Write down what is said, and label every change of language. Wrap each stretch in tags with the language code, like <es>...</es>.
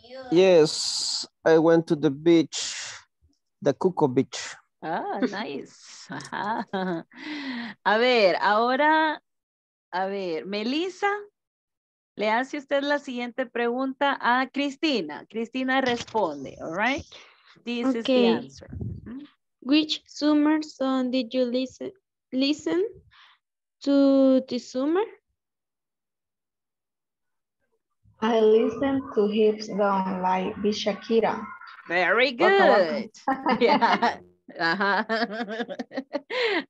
<en>Yes, I went to the beach, the Cuco Beach. Ah, nice.</en> <es>Ajá. A ver, ahora, a ver, Melissa, le hace usted la siguiente pregunta a Cristina. Cristina responde,</es> <en>all right? This okay. is the answer. Which summer song did you listen to this summer? I listened to Hips Don't Lie by Shakira. Very good. Yeah. Uh-huh.</en>